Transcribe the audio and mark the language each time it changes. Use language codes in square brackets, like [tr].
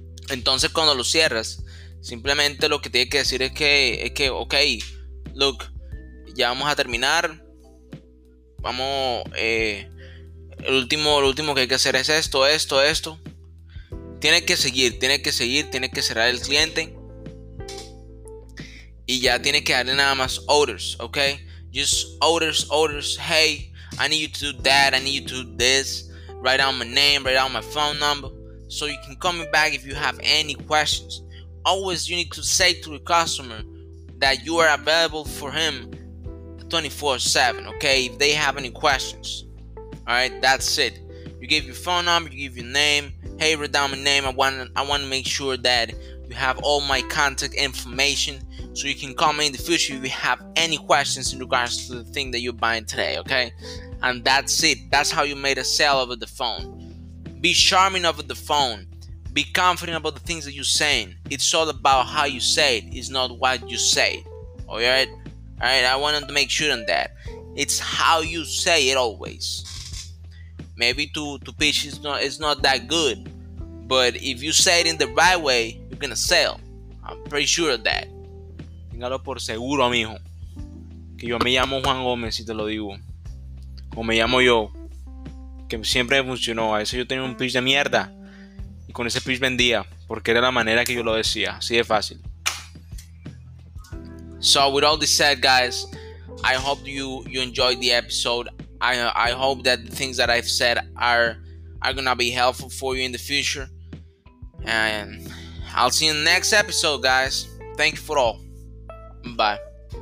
[es] Entonces, cuando lo cierras, simplemente lo que tiene que decir es que, ok, look, ya vamos a terminar. Vamos, el último que hay que hacer es esto. Tiene que seguir, tiene que cerrar el cliente. Y ya tiene que darle nada más orders, ok. [en] Just orders. Hey, I need you to do that, I need you to do this. Write down my name, write down my phone number, so you can call me back if you have any questions. Always, you need to say to the customer that you are available for him 24/7, okay? If they have any questions, all right, that's it. You give your phone number, you give your name. Hey, write down my name. I want to make sure that you have all my contact information, so you can call me in the future if you have any questions in regards to the thing that you're buying today, okay? And that's it. That's how you made a sale over the phone. Be charming over the phone. Be confident about the things that you're saying. It's all about how you say it. It's not what you say. Alright? Alright, I wanted to make sure on that. It's how you say it always. Maybe to pitch it's not that good. But if you say it in the right way, you're gonna sell. I'm pretty sure of that. [es] Téngalo por seguro, mijo. Que yo me llamo Juan Gómez y te lo digo. Como me llamo yo, que siempre funcionó. A veces yo tenía un pitch de mierda y con ese pitch vendía, porque era la manera que yo lo decía, así de fácil. [en] So with all this said, guys, I hope you enjoyed the episode. I hope that the things that I've said are gonna be helpful for you in the future, and I'll see you in the next episode, guys. Thank you for all. Bye.